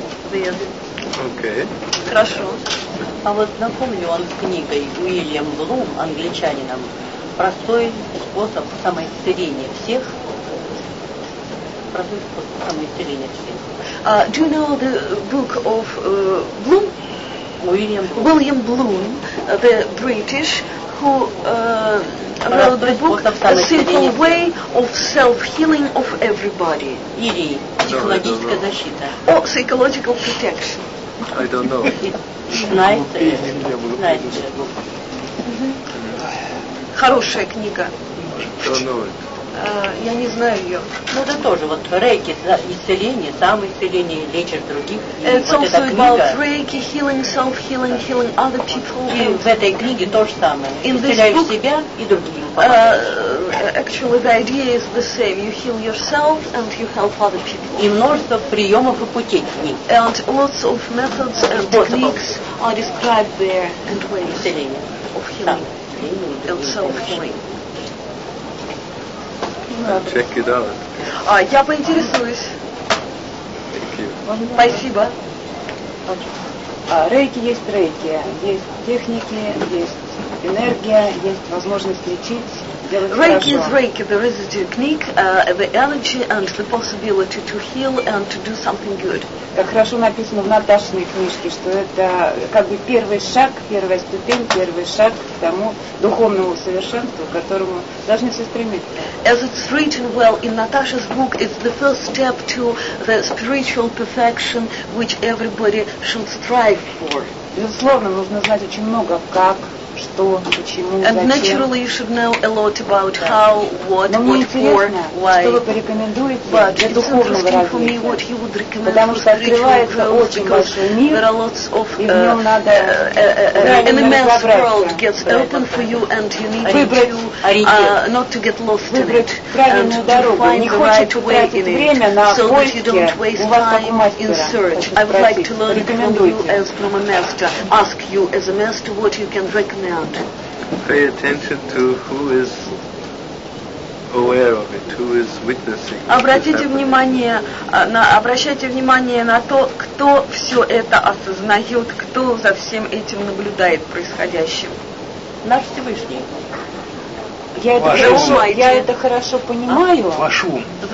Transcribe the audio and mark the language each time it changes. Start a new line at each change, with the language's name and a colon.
Russian: Окей. Хорошо. А вот напомню вам с книгой Уильям Блум, англичанином, простой способ самоисцеления всех. Простой способ самоисцеления всех.
English: Do you know the book of Bloom? William Bloom, the British, who wrote the book The Simple Way of Self-Healing of Everybody.
Russian: Или психологическая защита.
English: Or psychological protection. I don't know.
Russian: Знаете? Хорошая книга.
English: I don't know it.
Russian: Я не знаю ее. Ну, это тоже вот рейки, исцеление, самоисцеление, лечит других.
English: It's вот also about reiki, healing, self-healing, healing other people.
Russian: И в этой книге то же самое. Исцеляешь себя и другим.
English: Actually, the idea is the same. You heal yourself and you help other people.
Russian: И множество приемов и путей в ней.
English: And lots of methods and techniques are described there and ways of healing and self-healing. Check it out.
Russian: А, я поинтересуюсь.
English: Thank you.
Russian: Спасибо. Рейки есть рейки. Есть техники, есть энергия, есть возможность лечить.
English: Рейки is рейки. There is a technique, the energy and the possibility to heal and to do something good.
Russian: Как хорошо написано в Наташиной книжке, что это как бы первый шаг, первая ступень, первый шаг к тому духовному совершенству, к которому должны все стремиться.
English: As it's written well in Natasha's book, it's the first step to the spiritual perfection, which everybody should strive for.
Russian: Безусловно, нужно знать очень много как, что, почему, зачем.
English: And naturally you should know a lot about how, what, what for, why.
Russian: Что вы порекомендуете для духовного развития?
English: But it's interesting for me what you would recommend.
Russian: Потому что открывается очень большой мир,
English: there are lots of,
Russian: и в нем надо
English: an immense world gets open for you and you need to not to get lost in it and to find the right way in it so that you don't waste time in search. I would like to learn from you as from a master. Ask you as a master what you can recommend. Pay attention to who is aware of it, who is witnessing.
Russian: Обратите внимание на обращайте внимание на то, кто все это осознает, кто за всем этим наблюдает происходящим. Наш Всевышний. Я это хорошо понимаю. Ваш ум.